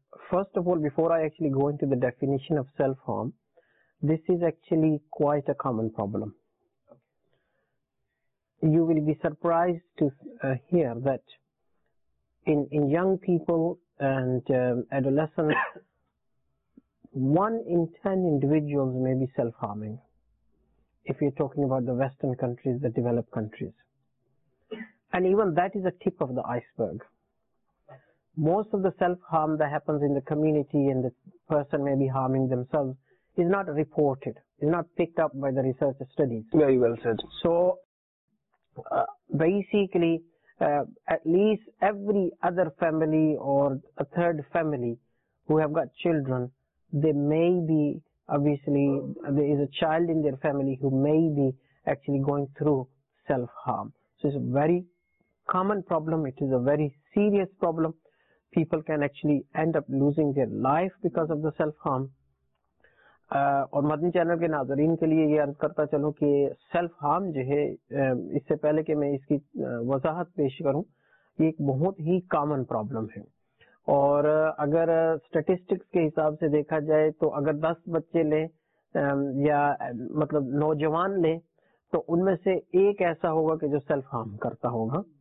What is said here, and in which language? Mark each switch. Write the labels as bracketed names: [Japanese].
[English] First of all before I actually go into the definition of self harm this is actually quite a common problem you will be surprise to hear that In young people and adolescents, 1 in 10 individuals may be self-harming. If you're talking about the Western countries, the developed countries. And even that is a tip of the iceberg. Most of the self-harm that happens in the community and the person may be harming themselves is not reported, is not picked up by the research studies. Very well said. So, basically, at least every other family or a third family who have got children, they may be, obviously, there is a child in their family who may be actually going through self-harm. So it's a very common problem. It is a very serious problem. People can actually end up losing their life because of the self-harm. [Urdu] اور مدنی channel کے ناظرین کے لیے یہ عرض کرتا چلوں کہ سیلف ہارم جو ہے, اس سے پہلے کہ میں اس کی وضاحت پیش کروں, یہ ایک بہت ہی کامن پرابلم ہے. اور اگر سٹیٹسٹکس کے حساب سے دیکھا جائے تو اگر 10 بچے لیں یا مطلب نوجوان لیں تو ان میں سے ایک ایسا ہوگا کہ جو سیلف ہارم کرتا ہوگا.